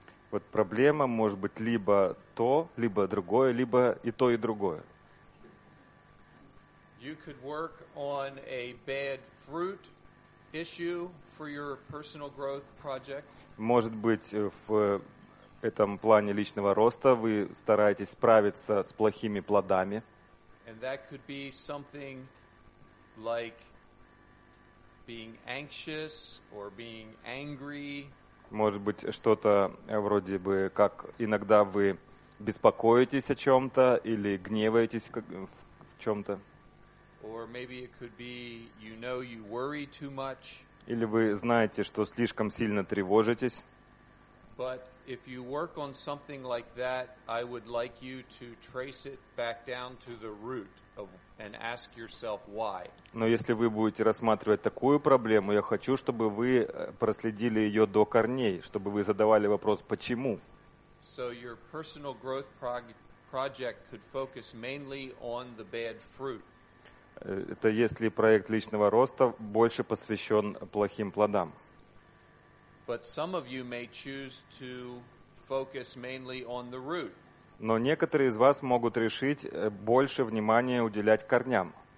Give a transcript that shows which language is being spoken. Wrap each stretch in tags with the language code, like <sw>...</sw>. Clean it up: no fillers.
<ru>Вот проблема может быть либо то, либо другое, либо и то, и другое.</ru> <en>You could work on a bad fruit issue for your personal growth project.</en> <ru>Может быть, в этом плане личного роста вы стараетесь справиться с плохими плодами.</ru> <en>And that could be something like being anxious or being angry.</en> <ru>Может быть, что-то вроде бы, как иногда вы беспокоитесь о чем-то или гневаетесь в чем-то.</ru> <en>Or maybe it could be, you know, you worry too much.</en> <ru>Или вы знаете, что слишком сильно тревожитесь.</ru> <en>But if you work on something like that, I would like you to trace it back down to the root of, and ask yourself why.</en> <ru>Но если вы будете рассматривать такую проблему, я хочу, чтобы вы проследили ее до корней, чтобы вы задавали вопрос почему.</ru> <en>So your personal growth project could focus mainly on the bad fruit.</en> <ru>Это если проект личного роста больше посвящен плохим плодам.</ru> <en>But some of you may choose to focus mainly on the root.</en> <ru>Но некоторые из вас могут решить больше внимания уделять корням.</ru>